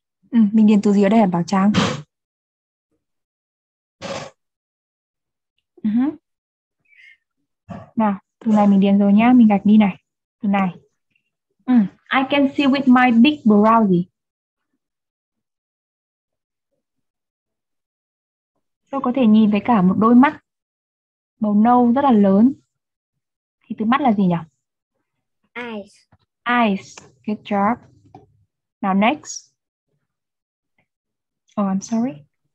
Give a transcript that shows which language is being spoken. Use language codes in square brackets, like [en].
[vi] Ừ, mình điền từ gì ở đây là Bảo Trang? Uh-huh. Nào, từ này mình điền rồi nhá. Mình gạch đi này. Từ này. Ừ. [en] I can see with my big brow gì? [vi] Tôi có thể nhìn với cả một đôi mắt màu nâu rất là lớn. Thì từ mắt là gì nhỉ? [en] Eyes. Eyes. Good job. Now next. Oh, I'm sorry.